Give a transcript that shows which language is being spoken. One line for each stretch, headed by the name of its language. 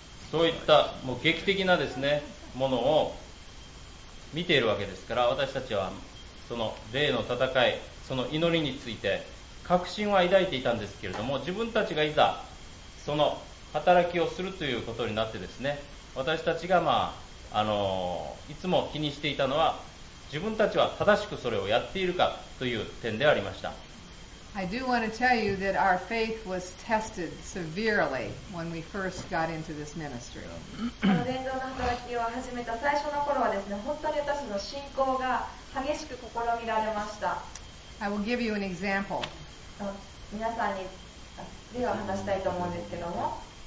Japanese: そういったもう劇的なですねものを見ているわけですから、私たちはその霊の戦い、その祈りについて確信は抱いていたんですけれども、自分たちがいざその働きをするということになってですね、私たちがまあいつも気にしていたのは、自分たちは正しくそれをやっているかという点でありました。
English: I do want to tell you that our faith was tested severely when we first got into this ministry.
Japanese: この伝道の働きを始めた最初の頃はですね、本当に私の信仰が激しく試みられました。
English: I will give you an example.
Japanese: 皆さんに例を話したいと思うんですけども。